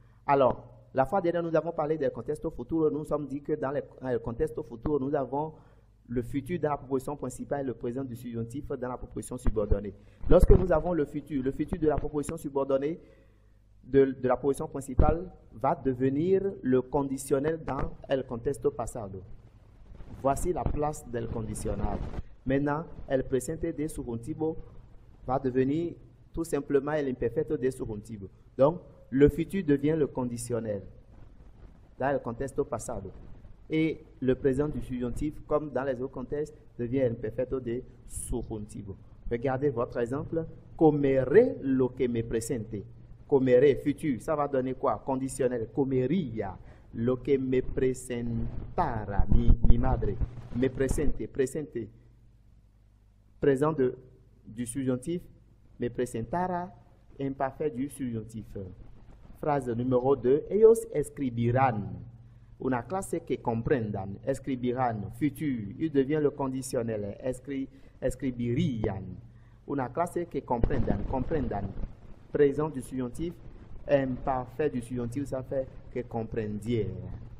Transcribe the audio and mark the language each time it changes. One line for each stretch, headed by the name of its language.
French: Alors, la fois dernière, nous avons parlé du contexte futur. Nous nous sommes dit que dans le contexte futur, nous avons le futur dans la proposition principale et le présent du subjonctif dans la proposition subordonnée. Lorsque nous avons le futur de la proposition subordonnée de la proposition principale va devenir le conditionnel dans le contexte passado. Voici la place du conditionnel. Maintenant, el presente de subjuntivo va devenir tout simplement el imperfecto de subjuntivo. Donc, le futur devient le conditionnel dans le contexto pasado. Et le présent du subjonctif, comme dans les autres contextes, devient el imperfecto de subjuntivo. Regardez votre exemple.
Spanish: Comeré lo que me presente. Comeré, futur,
French: ça va donner quoi?
Spanish: Conditionnel. Comería lo que me presentara mi madre. Me presente, presente.
French: Présent du subjonctif, me presentara, imparfait du subjonctif. Phrase numéro 2,
Spanish: ellos escribirán, una clase que comprendan,
French: escribirán, futur, il devient le conditionnel, escribirían, una clase que comprendan, présent du subjonctif, imparfait du subjonctif, ça fait que comprendieran.